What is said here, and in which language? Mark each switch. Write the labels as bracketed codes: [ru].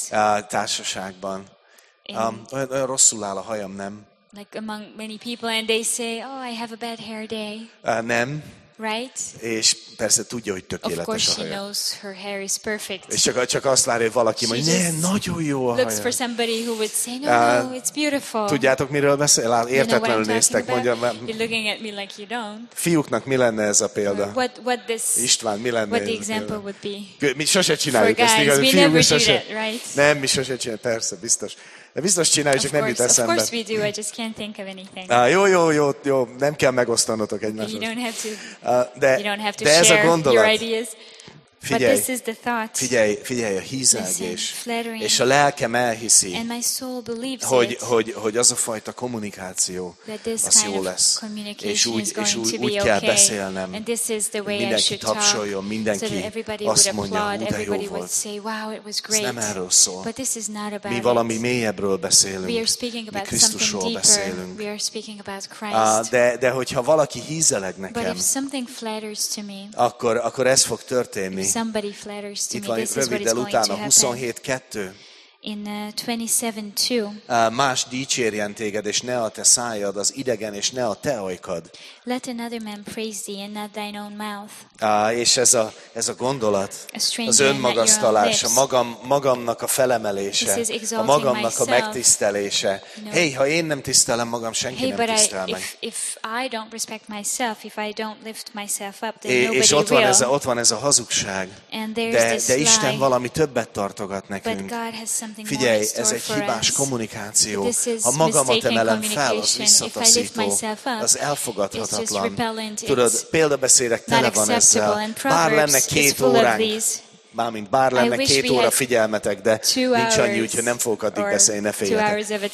[hu] a társaságban, olyan rosszul áll a hajam, nem? [en] Like among many people, and they say, oh, I have a bad hair day. [hu] Nem. [en] Right? [hu] És persze tudja, hogy tökéletes a haja. [en] Of course she knows her hair is perfect. [hu] És csak azt látja, hogy valaki mondja, ne, nagyon jó a haja. [en] Looks for somebody who would say, no, it's beautiful. [hu] Tudjátok, miről beszél? Értetlenül néztek, mondja. [en] You're looking at me like you don't. [hu] Fiúknak mi lenne ez a példa? [en] What this, [hu] István, mi lenne [en] what the example would be? [hu] Mi sose csináljuk [en] for [hu] ezt, [en] guys, [hu] igaz? [en] We [hu] fiúk, [en] never [hu] sose. [en] Do that, right? [hu] Nem, mi sose csináljuk, persze, biztos. De biztos csináljuk, csak nem jut eszembe. [en] Of course we do, I just can't think of anything. [hu] Jó, nem kell megosztanotok egymást. [en] You don't have to share [hu] gondolat, [en] your ideas. [hu] Figyelj, [en] but this is the thought. [hu] Figyelj a hízelgés. És a lelkem elhiszi, [en] and my soul believes [hu] hogy az a fajta kommunikáció az jó lesz. És úgy kell [en] okay. [hu] beszélnem. [en] And this is the way [hu] mindenki [en] I should talk, [hu] mindenki [en] so that everybody [hu] azt mondja, [en] would applaud, everybody would say, wow, it was great. [hu] Ez nem erről szól. [en] But this is not about [hu] mi valami mélyebbről beszélünk. [en] We are speaking about [hu] mi Krisztusról beszélünk. [en] We are speaking about Christ. [hu] De hogyha valaki hízeleg nekem, [en] but if something flatters to me, [hu] akkor ez fog történni. [en] If somebody flatters to [hu] itt [en] me, this is what is [hu] utána, [en] going to happen. 27:2. [hu] Más dicsérjen téged, és ne a te szájad, az idegen, és ne a te ajkad. [en] Let another man praise thee, and not thine own mouth. [hu] És ez a gondolat, az önmagasztalás, a magamnak a felemelése, a magamnak [en] myself, [hu] a megtisztelése. [en] You know, hey, [hu] ha én nem tisztelem magam, senki [en] hey, [hu] nem tisztel meg. [en] If I don't respect myself, if I don't lift myself up, then [hu] és [en] nobody [hu] ott van [en] will. [hu] ez a hazugság. De Isten [en] lie, [hu] valami többet tartogat nekünk. Figyelj, ez egy hibás kommunikáció. Ha magamat emelem fel, az visszataszító, az elfogadhatatlan. Tudod, példabeszélek tele van ezzel. Bár lenne két óránk, mármint bár lenne két óra figyelmetek, de nincs annyi, úgyhogy nem fogok addig beszélni, ne féljetek.